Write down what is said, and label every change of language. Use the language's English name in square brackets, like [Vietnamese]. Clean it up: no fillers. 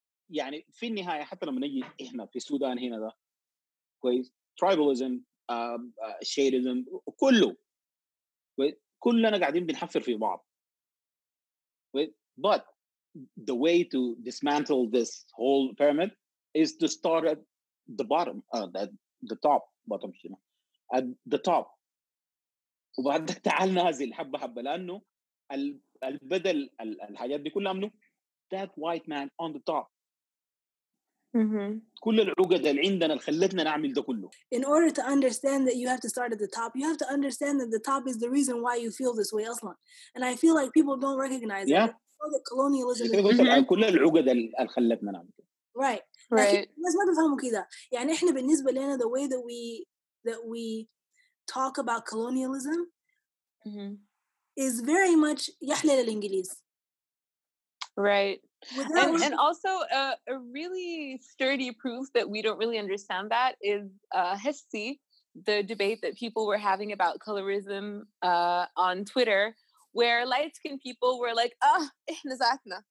[Arabic] يعني في النهاية حتى لما نجي إحنا في السودان هنا ده كويس [English] tribalism, shadism [Arabic] كله كلنا قاعدين بنحفر في بعض. [English] But the way to dismantle this whole pyramid is to start at the bottom, the top, you know, at the top. [Arabic] وبعدك تعال نازل حبة حبة لأنه البدل الحاجات دي كلها منه [English] that white man on the top. [Arabic] كل العقد اللي عندنا اللي خلتنا نعمل ده كله. [English] In order to understand that you have to start at the top, you have to understand that the top is the reason why you feel this way, Aslan. And I feel like people don't recognize yeah. that. Yeah. All the colonialism. [Arabic] كل العقد اللي خلتنا نعمل ده. [English] Right. Right. [Arabic] ما تفهموا كذا. يعني إحنا بالنسبة لنا [English] the way that we talk about colonialism is very much [Arabic] يحلى للإنجليز. [English] Right. And also a really sturdy proof that we don't really understand that is Hissi, the debate that people were having about colorism on Twitter, where light-skinned people were like, "Ah, [Arabic] إحنا ذاتنا."